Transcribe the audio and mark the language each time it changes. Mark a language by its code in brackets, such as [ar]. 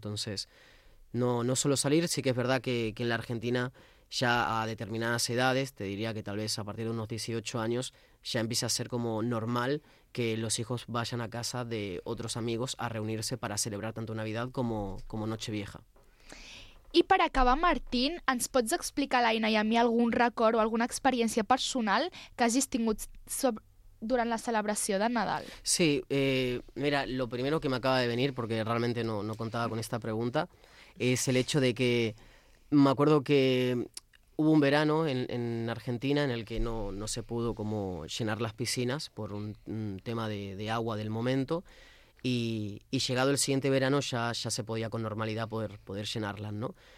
[es] Entonces, no suelo salir. Sí que es verdad que en la Argentina ya a determinadas edades, te diría que tal vez a partir de unos 18 años, ya empieza a ser como normal que los hijos vayan a casa de otros amigos a reunirse para celebrar tanto Navidad como Nochevieja. [ca] I per acabar, Martín, ens pots explicar a l'Aina i a mi algun record o alguna experiència personal que hagis tingut durant la celebració de Nadal? [es] Sí, mira, lo primero que me acaba de venir, porque realmente no contaba con esta pregunta, es el hecho de que me acuerdo que hubo un verano en Argentina en el que no se pudo como llenar las piscinas por un tema de agua del momento y llegado el siguiente verano ya se podía con normalidad poder llenarlas, ¿no?